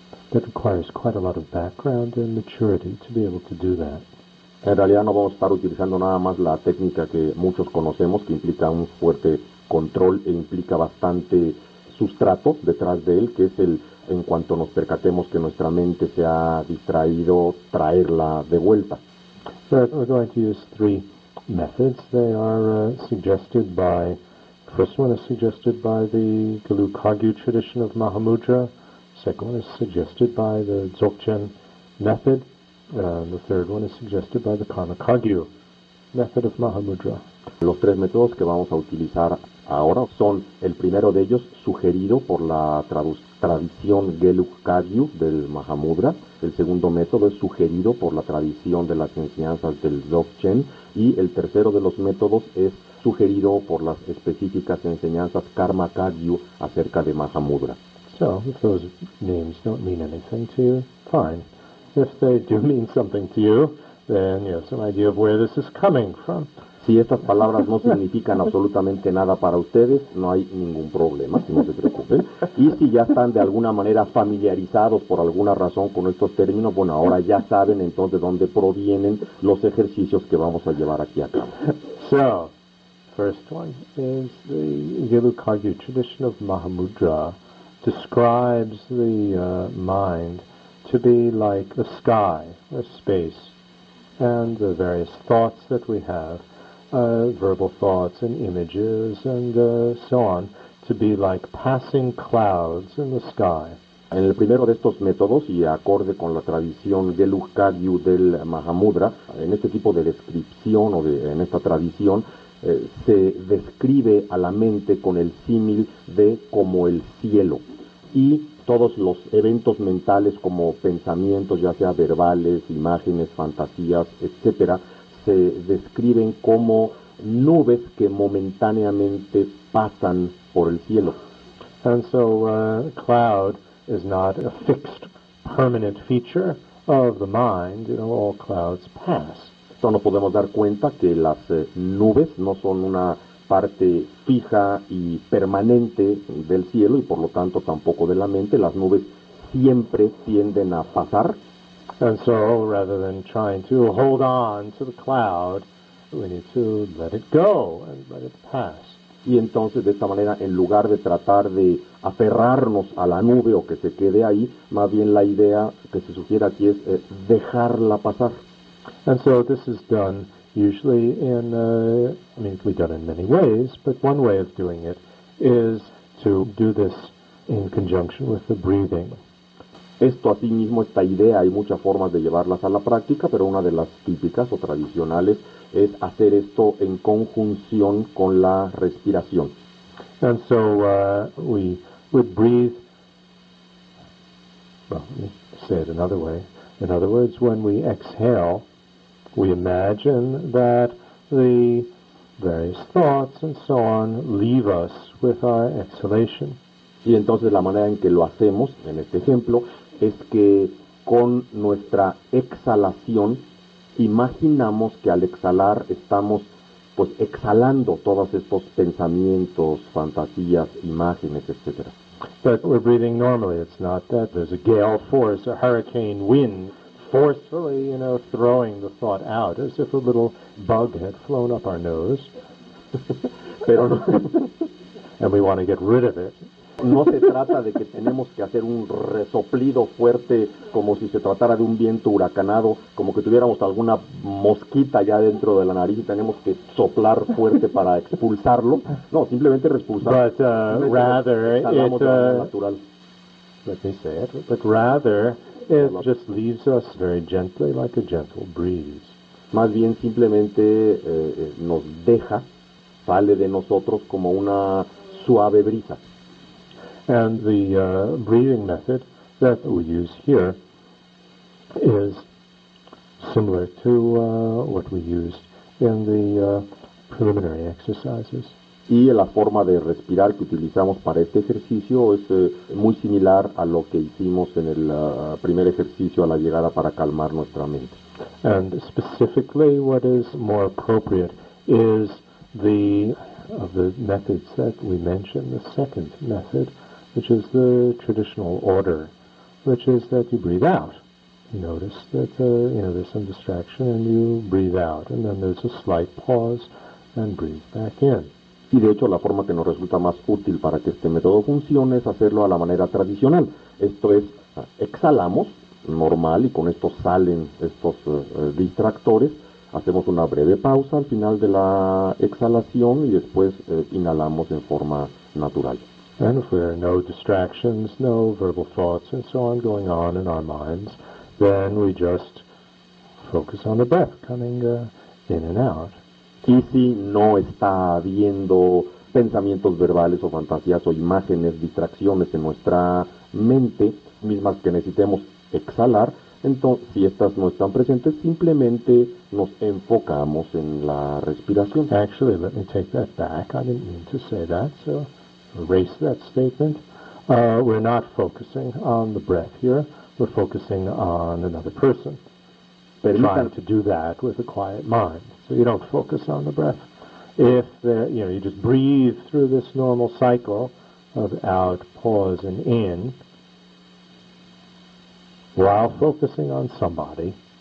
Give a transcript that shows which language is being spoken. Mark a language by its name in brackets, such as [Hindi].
[English] That requires quite a lot of background and maturity to be able to do that. [Spanish] En realidad no vamos a estar utilizando nada más la técnica que muchos conocemos, que implica un fuerte control e implica bastante sustrato detrás de él, que es el, en cuanto nos percatemos que nuestra mente se ha distraído, traerla de vuelta. [English] But we're going to use three methods. They are suggested by, the first one is suggested by the Gelug-Kagyu tradition of Mahamudra. Second one is suggested by the Dzogchen method, and the third one is suggested by the Karmakagyu method of Mahamudra. [Spanish] Los tres métodos que vamos a utilizar ahora son el primero de ellos sugerido por la tradición Gelug-Kagyu del Mahamudra, el segundo método es sugerido por la tradición de las enseñanzas del Dzogchen, y el tercero de los métodos es sugerido por las específicas enseñanzas Karmakagyu acerca de Mahamudra. [English] So, if those names don't mean anything to you, fine. If they do mean something to you, then you have some idea of where this is coming from. [Spanish] Si estas palabras no significan absolutamente nada para ustedes, no hay ningún problema, si no se preocupen. Y si ya están de alguna manera familiarizados por alguna razón con estos términos, bueno, ahora ya saben entonces dónde provienen los ejercicios que vamos a llevar aquí a cabo. [English] So, first one is the Gelug-Kagyu tradition of Mahamudra. Describes the mind to be like a sky, a space, and the various thoughts that we have, verbal thoughts and images and so on, to be like passing clouds in the sky. [Spanish] En el primero de estos métodos, y acorde con la tradición Gelug-Kagyu del Mahamudra, en este tipo de descripción o de, en esta tradición, se describe a la mente con el símil de como el cielo. Y todos los eventos mentales como pensamientos, ya sea verbales, imágenes, fantasías, etcétera, se describen como nubes que momentáneamente pasan por el cielo. [English] And so cloud is not a fixed permanent feature of the mind, you know, all clouds pass. [Spanish] Esto nos podemos dar cuenta que las nubes no son una parte fija y permanente del cielo y por lo tanto tampoco de la mente, las nubes siempre tienden a pasar. [English] And so, rather than trying to hold on to the cloud, we need to let it go and let it pass. [Spanish] Y entonces, de esta manera, en lugar de tratar de aferrarnos a la nube o que se quede ahí, más bien la idea que se sugiere aquí es dejarla pasar. [English] And so this is done usually in, I mean, we've done it in many ways, but one way of doing it is to do this in conjunction with the breathing. [Spanish] Esto asimismo, esta idea, hay muchas formas de llevarlas a la práctica, pero una de las típicas o tradicionales es hacer esto en conjunción con la respiración. [English] And so we would breathe, well, let me say it another way. In other words, when we exhale, We imagine that the various thoughts and so on leave us with our exhalation. [Spanish] Y entonces la manera en que lo hacemos, en este ejemplo, es que con nuestra exhalación imaginamos que al exhalar estamos pues exhalando todos estos pensamientos, fantasías, imágenes, etc. [English] But we're breathing normally. It's not that there's a gale force, a hurricane wind, forcefully, you know, throwing the thought out as if a little bug had flown up our nose. [Spanish] Pero no. [English] And we want to get rid of it. [Spanish] No se trata de que tenemos que hacer un resoplido fuerte como si se tratara de un viento huracanado, como que tuviéramos alguna mosquita ya dentro de la nariz y tenemos que soplar fuerte para expulsarlo. No, simplemente expulsarlo. [English] But rather it natural. Let me say it. But rather it just leaves us very gently, like a gentle breeze. [Spanish] Más bien simplemente nos deja, sale de nosotros como una suave brisa. [English] And the breathing method that we use here is similar to what we used in the preliminary exercises. [Spanish] Y la forma de respirar que utilizamos para este ejercicio es muy similar a lo que hicimos en el primer ejercicio a la llegada para calmar nuestra mente. [English] And specifically what is more appropriate is the of the methods that we mentioned, the second method, which is the traditional order, which is that you breathe out. You notice that there's some distraction and you breathe out, and then there's a slight pause and breathe back in. [Spanish] Y de hecho la forma que nos resulta más útil para que este método funcione es hacerlo a la manera tradicional. Esto es, exhalamos normal y con esto salen estos distractores. Hacemos una breve pausa al final de la exhalación y después inhalamos en forma natural. [English] And if there are no distractions, no verbal thoughts and so on going on in our minds, then we just focus on the breath coming in and out. [Spanish] Y si no está habiendo pensamientos verbales o fantasías o imágenes, distracciones en nuestra mente, mismas que necesitemos exhalar, entonces si estas no están presentes, simplemente nos enfocamos en la respiración. [English] Actually, let me take that back. I didn't mean to say that, so erase that statement. We're not focusing on the breath here. We're focusing on another person. Trying to do that with a quiet mind. So you don't focus on the breath. If there, you know, you just breathe through this normal cycle of out, pause, and in while focusing on somebody.